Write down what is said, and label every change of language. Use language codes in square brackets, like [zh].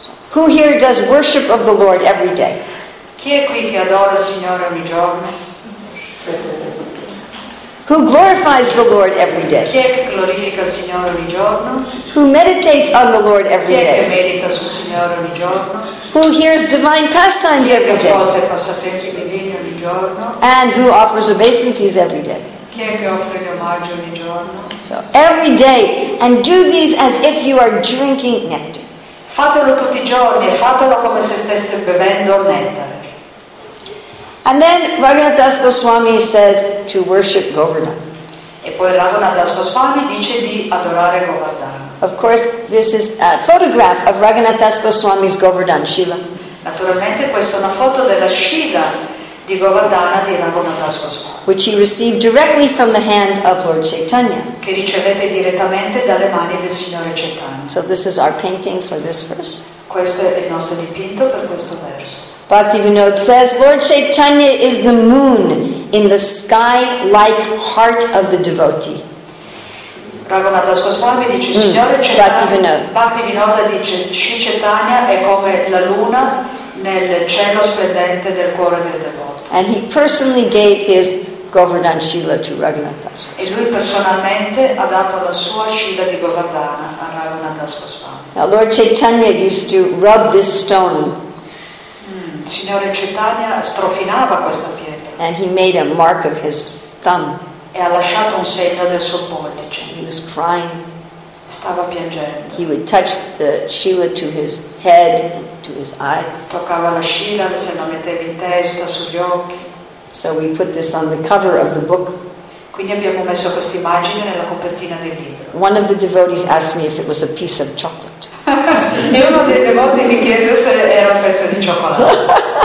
[en] Who here does worship of the Lord every day? [it] Chi è qui che adora il Signore ogni giorno? [en] Who glorifies the Lord every day? [it] Chi è che glorifica il Signore ogni giorno? [en] Who meditates on the Lord every day? [it] Chi è che medita sul Signore ogni giorno? [en] Who hears divine pastimes every day? [it] Chi è che ascolta i passatempi divini ogni giorno? [en] And who offers obeisances every day? [it] Chi è che offre gli omaggi ogni giorno? [en] So every day, and do these as if you are drinking nectar. [it] Fatelo tutti i giorni e fatelo come se steste bevendo nectar. [en] And then Raghunath Das Goswami says to worship Govardhan. [it] E poi Raghunath Das Goswami dice di adorare Govardhan. [en] Of course, this is a photograph of Raghunath Das Goswami's Govardhan Shila. [it] Naturalmente questa è una foto della Shila di Govardhana di Raghunath Das Goswami. [en] Which he received directly from the hand of Lord Chaitanya. [it] Che ricevette direttamente dalle mani del Signore Chaitanya. [en] So this is our painting for this verse. [it] Questo è il nostro dipinto per questo verso. [en] Bhaktivinoda says, Lord Chaitanya is the moon in the sky-like heart of the devotee. [it] Raghunath Das Goswami dice, Signore Chaitanya. Bhaktivinoda dice, Sri Chaitanya è come la luna nel cielo splendente del cuore del devoto. [en] And he personally gave his Govardhan Shila to Raghunath Das Goswami. [it] E lui personalmente ha dato la sua Shila di Govardhana a Raghunath Das Goswami. [en] Now Lord Chaitanya used to rub this stone. [it] Signore Chaitanya strofinava questa pietra. [en] And he made a mark of his thumb. [it] e ha lasciato un segno del suo pollice. [en] He was crying. [it] Stava piangendo. [en] He would touch the Shila to his head, to his eyes. [it] Toccava la Shila, se la metteva in testa, sugli occhi. [en] So we put this on the cover of the book. [it] Quindi abbiamo messo questa immagine nella copertina del libro. [en] One of the devotees asked me if it was a piece of chocolate. [it] E uno dei devoti mi chiese se era un pezzo di cioccolato.